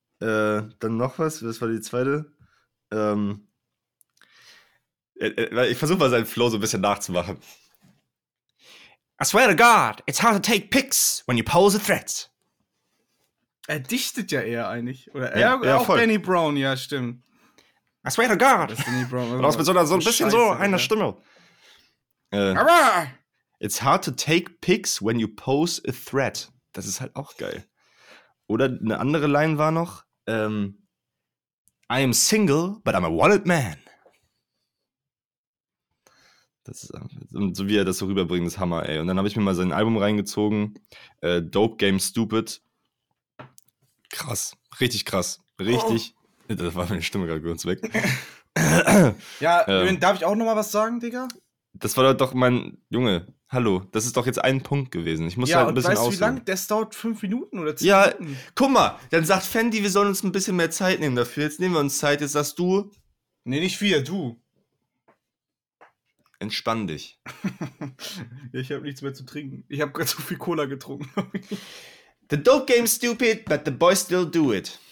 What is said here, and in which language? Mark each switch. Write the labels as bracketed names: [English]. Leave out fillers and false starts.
[German] Dann noch was, das war die zweite. Ich versuche mal seinen Flow so ein bisschen nachzumachen. [English] I swear to God, it's hard to take pics when you pose a threat. [German] Er dichtet ja eher eigentlich. Oder ja, er, ja, auch voll. Danny Brown, ja, stimmt. [English] I swear to God. [German] Danny Brown, du hast mit so ein bisschen Scheiße, so einer, ja, Stimme. [English] It's hard to take pics when you pose a threat. [German] Das ist halt auch geil. Oder eine andere Line war noch, [English] I am single, but I'm a wanted man. [German] Das ist einfach, so wie er das so rüberbringt, ist Hammer, ey. Und dann habe ich mir mal sein Album reingezogen, Dope Game Stupid. Krass, richtig krass, richtig. Oh. Das war meine Stimme gerade ganz weg. Ja, darf ich auch nochmal was sagen, Digga? Das war doch mein Junge. Hallo, das ist doch jetzt ein Punkt gewesen. Ich muss ja halt ein bisschen aussehen. Ja, und weißt du, wie lang? Das dauert 5 Minuten oder 10 Minuten. Ja, guck mal, dann sagt Fendi, wir sollen uns ein bisschen mehr Zeit nehmen dafür. Jetzt nehmen wir uns Zeit, jetzt sagst du... Nee, nicht wir, du. Entspann dich. Ja, ich habe nichts mehr zu trinken. Ich habe gerade so viel Cola getrunken. [English] The dope game's stupid, but the boys still do it.